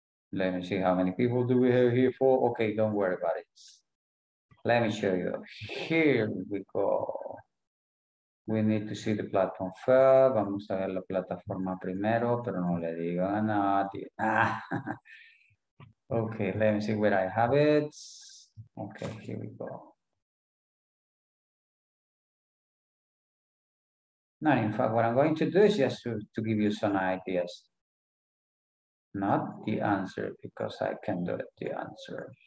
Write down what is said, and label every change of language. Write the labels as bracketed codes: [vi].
[en] Let me see how many people do we have here for. Okay, don't worry about it. Let me show you. Here we go. We need to see the platform first. [es] Vamos a ver la plataforma primero, pero no le digo a nadie. [en] Okay, let me see where I have it. Okay, here we go. Now, in fact, what I'm going to do is just to give you some ideas. Not the answer, because I can do it, the answer.